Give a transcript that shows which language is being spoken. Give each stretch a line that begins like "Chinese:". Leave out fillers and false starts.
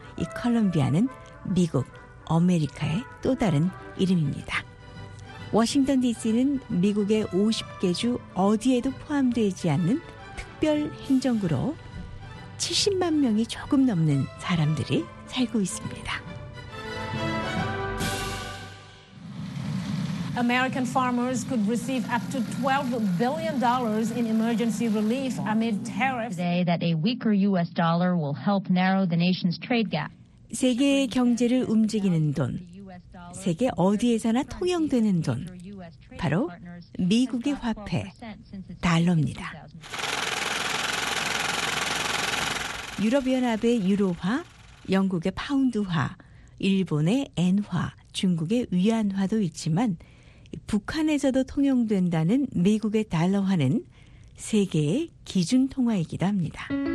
Korean: 이 컬럼비아는 미국, 아메리카의 또 다른 이름입니다. 워싱턴 DC는 미국의 50개 주 어디에도 포함되지 않는 특별 행정구로 70만 명이 조금 넘는 사람들이 살고 있습니다.
English: American farmers could receive up to $12 billion in emergency relief amid tariffs. Today that a weaker US dollar will help narrow the nation's trade gap.
Korean: 세계 경제를 움직이는 돈, 세계 어디에서나 통용되는 돈, 바로 미국의 화폐, 달러입니다. 유럽연합의 유로화, 영국의 파운드화, 일본의 엔화, 중국의 위안화도 있지만 북한에서도 통용된다는 미국의 달러화는 세계의 기준통화이기도 합니다.